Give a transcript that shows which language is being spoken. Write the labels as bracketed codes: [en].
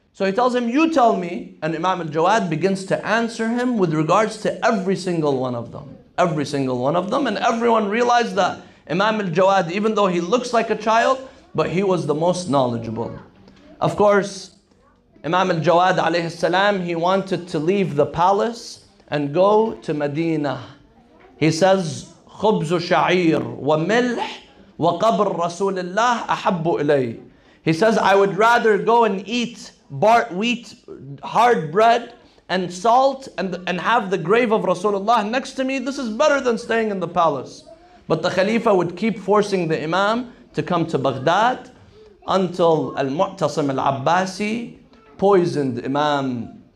[en] So he tells him, you tell me. And Imam al-Jawad begins to answer him with regards to every single one of them. Every single one of them. And everyone realized that Imam al-Jawad, even though he looks like a child, but he was the most knowledgeable. Of course, Imam al-Jawad alayhi salam, he wanted to leave the palace and go to Medina. He says, [ar] خبز شعير وملح وقبر رسول الله أحب إلي. [en] He says, I would rather go and eat wheat, hard bread, and salt, and have the grave of Rasulullah next to me. This is better than staying in the palace. But the Khalifa would keep forcing the Imam to come to Baghdad until Al-Mu'tasim Al-Abbasi poisoned Imam.